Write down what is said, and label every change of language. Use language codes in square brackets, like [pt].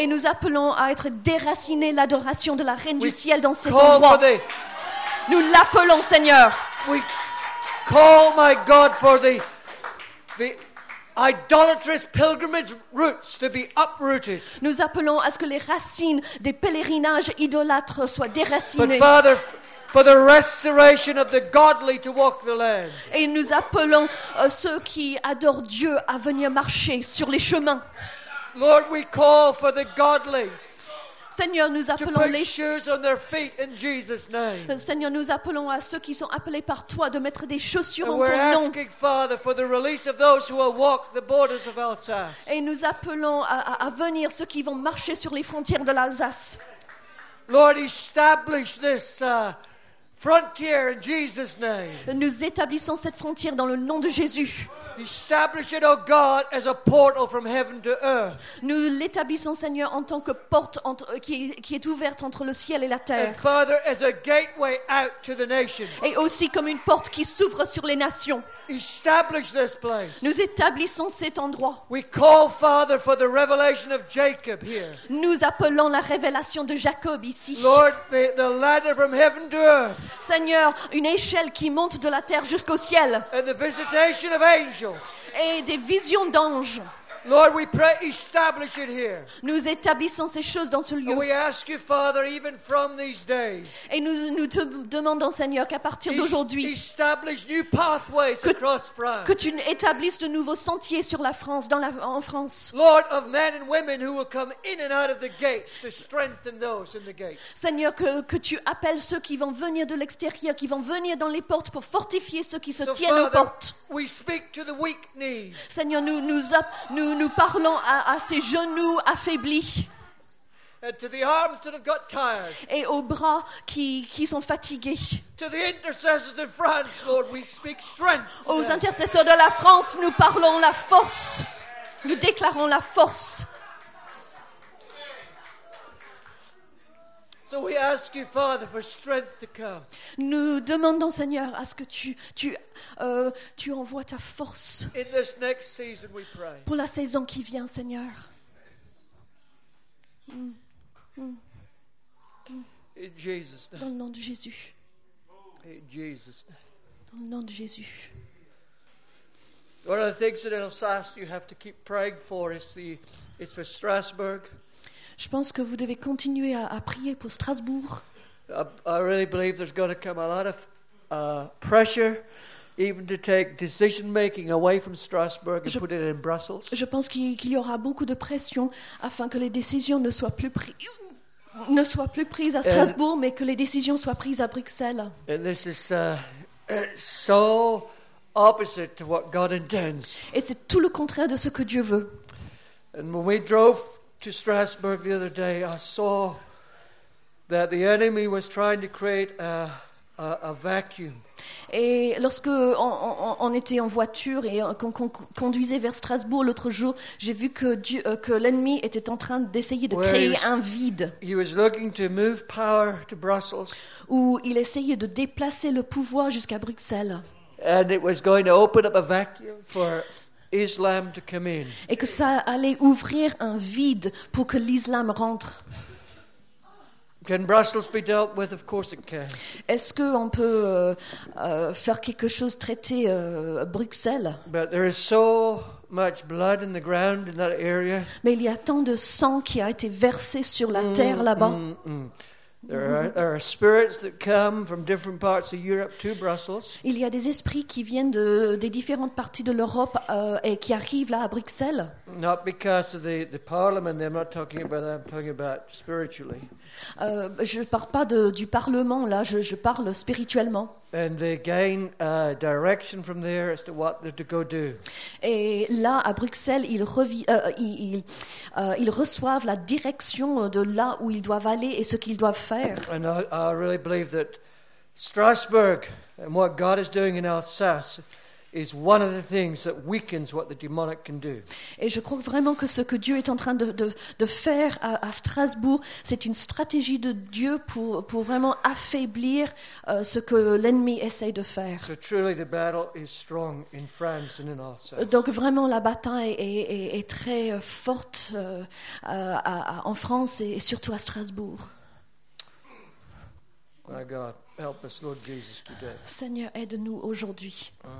[fr] Et nous appelons à être déracinés l'adoration de la Reine [en] we [fr] du ciel dans cet endroit. Nous l'appelons, Seigneur. [en] We call, my God, for the idolatrous pilgrimage roots to be uprooted. [fr] Nous appelons à ce que les racines des pèlerinages idolâtres soient déracinées. [en] But Father, for the restoration of the godly to walk the land. [fr] Et nous appelons ceux qui adorent Dieu à venir marcher sur les chemins. [en] Lord, we call for the godly. [fr] Seigneur, nous appelons les [en] shoes on their feet in Jesus name. [fr] Seigneur, nous appelons à ceux qui sont appelés par toi de mettre des chaussures [en] and [fr] en ton nom. [en] Asking, Father, for the release of those who will walk the borders of Alsace. [fr] Et nous appelons à venir ceux qui vont marcher sur les frontières de l'Alsace. [en] Lord, establish this frontier in Jesus name. [fr] Nous établissons cette frontière dans le nom de Jésus. [en] Establish it, O God, as a portal from heaven to earth. [fr] Nous l'établissons, Seigneur, en tant que porte qui est ouverte entre le ciel et la terre. [en] And Father, as a gateway out to the nations. [fr] Et aussi comme une porte qui s'ouvre sur les nations. [en] Establish this place. [fr] Nous établissons cet endroit. [en] We call, Father, for the revelation of Jacob here. [fr] Nous appelons la révélation de Jacob ici. [en] Lord, the ladder from heaven to earth. [fr] Seigneur, une échelle qui monte de la terre jusqu'au ciel. [en] And the visitation of angels. [fr] Et des visions d'anges. [en] Lord, we pray, establish it here. [fr] Nous établissons ces choses dans ce lieu. [en] And we ask you, Father, even from these days. [fr] Et nous te demandons, Seigneur, qu'à partir d'aujourd'hui, [en] establish new pathways across France. [fr] Que tu établisses de nouveaux sentiers sur la France, en France. [en] Lord, of men and women who will come in and out of the gates to strengthen those in the gates. [fr] Seigneur, que tu appelles ceux qui vont venir de l'extérieur, qui vont venir dans les portes pour fortifier ceux qui se tiennent aux portes. [en] We speak to the weak knees. [fr] Seigneur, nous parlons à ces genoux affaiblis [en] and to the arms that have got tired. [fr] Et aux bras qui sont fatigués. [en] To the intercessors in France, Lord, we speak strength. [fr] Aux intercesseurs de la France, nous parlons la force. Nous déclarons la force. [en] So we ask you, Father, for strength to come. [fr] Nous demandons, Seigneur, à ce que tu envoies ta force. [en] In this next season, we pray. [fr] Pour la saison qui vient, Seigneur. [en] In Jesus' name. [fr] Dans le nom de Jésus. [en] In Jesus' name. [fr] Dans le nom de Jésus. [en] One of the things that in Alsace you have to keep praying for is it's for Strasbourg. [fr] Je pense que vous devez continuer à prier pour Strasbourg. [en] I really believe there's going to come a lot of pressure even to take decision making away from Strasbourg and put it in Brussels. [fr] Je pense qu'il y aura beaucoup de pression afin que les décisions ne soient plus prises à Strasbourg mais que les décisions soient prises à Bruxelles. [en] And this is so opposite to what God intends. [fr] Et c'est tout le contraire de ce que Dieu veut. [en] And when we drove to Strasbourg the other day, I saw that the enemy was trying to create a vacuum. [fr] Et lorsque on était en voiture et qu'on conduisait vers Strasbourg l'autre jour, j'ai vu que l'ennemi était en train d'essayer de créer un vide. [en] He was looking to move power to Brussels. [fr] Où il essayait de déplacer le pouvoir jusqu'à Bruxelles. [en] And it was going to open up a vacuum for Islam to come in. [fr] Et que ça allait ouvrir un vide pour que l'islam rentre. [en] Can Brussels be dealt with? Of course it can. [fr] Est-ce que on peut faire quelque chose traiter Bruxelles? [en] But there is so much blood in the ground in that area. [fr] Mais il y a tant de sang qui a été versé sur la terre là-bas. [en] There are spirits that come from different parts of Europe to Brussels. [fr] Il y a des esprits qui viennent de des différentes parties de l'Europe et qui arrivent là à Bruxelles. [en] Not because of the parliament, I'm not talking about that, I'm talking about spiritually. [fr] Je parle pas du parlement là, je parle spirituellement. [en] And they gain direction from there as to what they're to go do. [fr] Et là à Bruxelles, ils reçoivent la direction de là où ils doivent aller et ce qu'ils doivent faire. [en] And I really believe that Strasbourg and what God is doing in Alsace is one of the things that weakens what the demonic can do. [fr] Et je crois vraiment que ce que Dieu est en train de faire à Strasbourg, c'est une stratégie de Dieu pour vraiment affaiblir ce que l'ennemi essaie de faire. [en] So truly the battle is strong in France and in Alsace. [fr] Donc vraiment la bataille est très forte en France et surtout à Strasbourg. [en] My God, help us, Lord Jesus, today. [fr] Seigneur, aide-nous aujourd'hui.